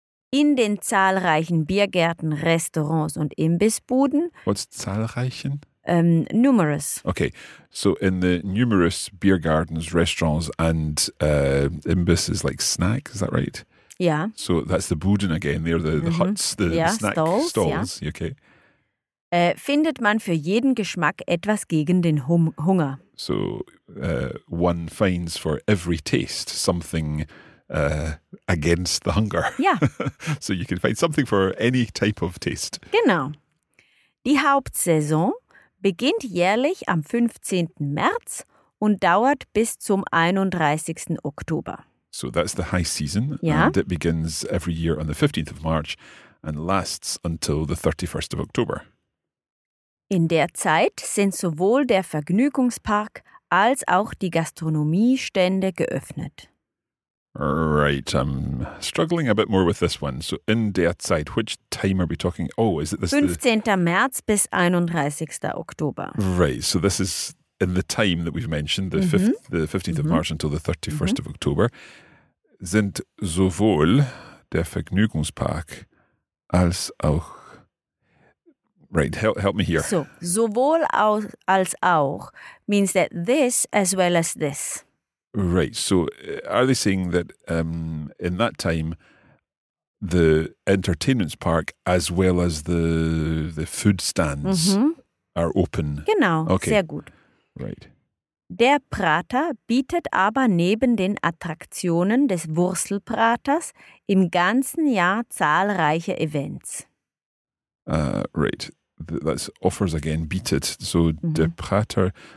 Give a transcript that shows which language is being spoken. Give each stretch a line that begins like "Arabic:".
German: In den zahlreichen Biergärten, Restaurants und Imbissbuden.
English: What's zahlreichen? Numerous. Okay, so in the numerous beer gardens, restaurants and imbiss is like snack, is that right? Yeah. So that's the Buden again, they're the huts, the snack stalls. Yeah. Okay.
German: Findet man für jeden Geschmack etwas gegen den Hunger.
English: So one finds for every taste something against the hunger. Yeah. So you can find something for any type of taste.
German: Genau.
English: Die Hauptsaison beginnt jährlich am 15. März und dauert bis zum 31. Oktober. So that's the high season. Yeah. And it begins every year on the 15th of March and lasts until the 31st of October.
German: In der Zeit sind sowohl der Vergnügungspark als auch die Gastronomiestände geöffnet.
English: Right, I'm struggling a bit more with this one. So
German: in der Zeit,
English: which time are we talking? Oh, is it this?
German: 15. März bis 31. Oktober.
English: Right, so this is in the time that we've mentioned, the, the 15th of March until the 31st of October.
German: Sind sowohl der Vergnügungspark als auch...
English: Right, help me here. So,
German: sowohl als auch
English: means that this as well as this. Right, so are they saying that in that time, the entertainment park as well as the food stands are open?
German: Genau,
English: okay.
German: Sehr gut.
English: Right.
German: Der Prater bietet aber neben den Attraktionen des Wurzelpraters im ganzen Jahr zahlreiche Events.
English: Right, that's offers again, bietet. So the Prater...